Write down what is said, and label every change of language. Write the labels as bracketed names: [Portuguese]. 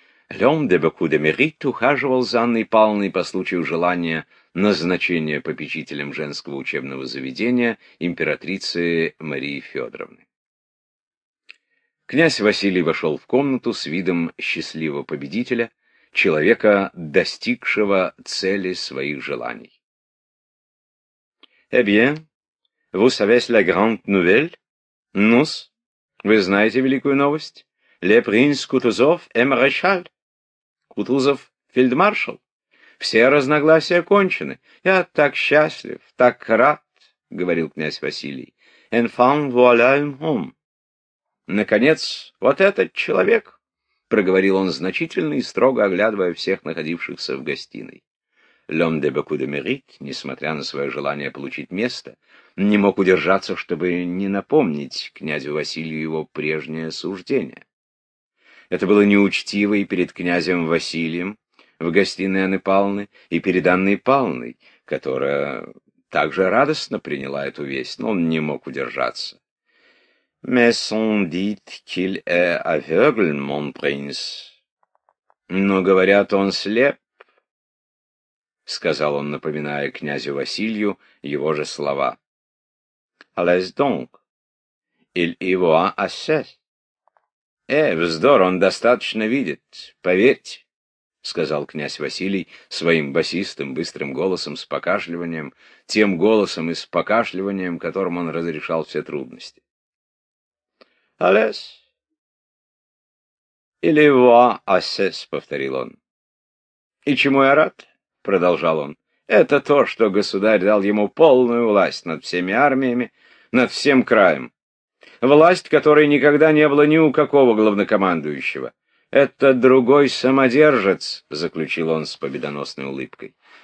[Russian] Льом де Беку де Мерит ухаживал за Анной Павловной по случаю желания назначения попечителем женского учебного заведения императрицы Марии Федоровны. Князь Василий вошел в комнату с видом счастливого победителя, человека, достигшего цели своих желаний. [French] Eh bien, vous savez la grande nouvelle? [Russian] Nous, вы знаете великую новость? [French] Le prince Кутузов est maréchal. [Russian] Кутузов — фельдмаршал. Все разногласия кончены. Я так счастлив, так рад, — говорил князь Василий. [French] Enfin, voilà un homme. [Russian] Наконец, вот этот человек, — проговорил он значительно и строго оглядывая всех находившихся в гостиной. [French] L'homme de beaucoup de mérite, [Russian] несмотря на свое желание получить место, не мог удержаться, чтобы не напомнить князю Василию его прежнее суждение. Это было неучтиво и перед князем Василием, в гостиной Анны Павловны и перед Анной Павловной, которая также радостно приняла эту весть, но он не мог удержаться. [French] «Mais on dit qu'il est aveugle, mon prince». [Russian] «Но, говорят, он слеп», — сказал он, напоминая князю Василию его же слова. [French] «Allez donc, il y voit assez». [Russian] «Э, вздор, он достаточно видит, поверьте», — сказал князь Василий своим басистым, быстрым голосом с покашливанием, тем голосом и с покашливанием, которым он разрешал все трудности. [French] «Allez, il y voit assez», [Russian] — повторил он. «И чему я рад?» — продолжал он. «Это то, что государь дал ему полную власть над всеми армиями, над всем краем. Власть, которой никогда не было ни у какого главнокомандующего. Это другой самодержец», — заключил он с победоносной улыбкой.